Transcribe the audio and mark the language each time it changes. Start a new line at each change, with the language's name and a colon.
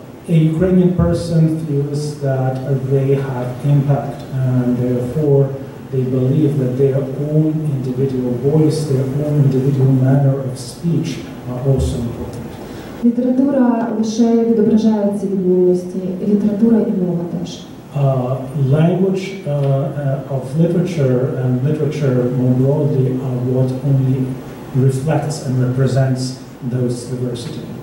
English: A Ukrainian person feels that they have impact and therefore they believe that their own individual voice, their own individual manner of speech are also important.
Ukrainian: Література лише відображає ці відмінності. Література і мова теж.
English: Language of literature and literature more broadly are what only reflects and represents those diversity.